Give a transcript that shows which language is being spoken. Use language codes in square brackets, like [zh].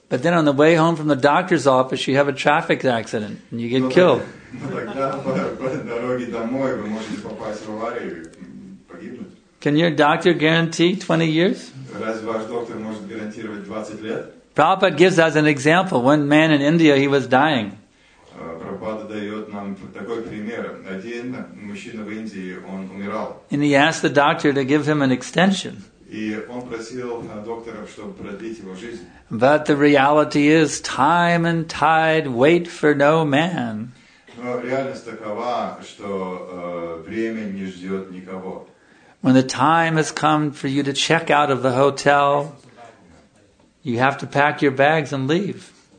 [en] But then, on the way home from the doctor's office, you have a traffic accident and you get killed. [ru] По дороге домой вы можете попасть в аварию и погибнуть. [en] Can your doctor guarantee 20 years? [ru] Разве ваш доктор может гарантировать 20 лет? [en] Prabhupada gives us an example. One man in India, he was dying. [ru] Prabhupada дает нам такой пример. Один мужчина в Индии, он умирал. [en] And he asked the doctor to give him an extension. [ru] И он просил доктора, чтобы продлить его жизнь. [en] But the reality is, time and tide wait for no man. [ru] Но реальность такова, что время не ждет никого. [en] When the time has come for you to check out of the hotel, you have to pack your bags and leave.